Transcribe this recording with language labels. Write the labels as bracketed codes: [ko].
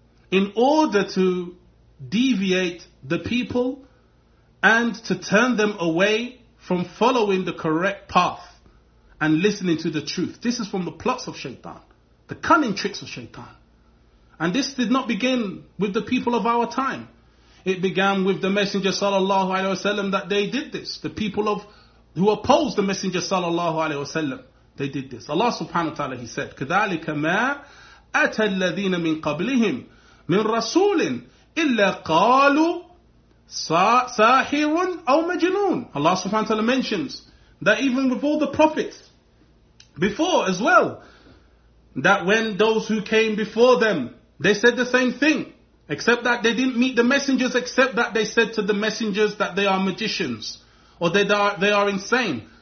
[en] In order to deviate the people and to turn them away from following the correct path and listening to the truth. This is from the plots of shaitan, the cunning tricks of shaitan. And this did not begin with the people of our time. It began with the Messenger sallallahu alaihi wasallam that they did this. The people of who opposed the Messenger sallallahu alaihi wasallam, they did this. Allah subhanahu wa ta'ala, he said, [ar] كَذَلِكَ مَا أَتَى الَّذِينَ مِنْ قَبْلِهِمْ مِنْ رَسُولٍ إِلَّا قَالُوا سَاحِرٌ أَوْ مَجْنُونَ. [en] Allah subhanahu wa ta'ala mentions that even with all the prophets before as well, that when those who came before them, they said the same thing, except that they didn't meet the messengers, except that they said to the messengers that they are magicians, or that they are insane.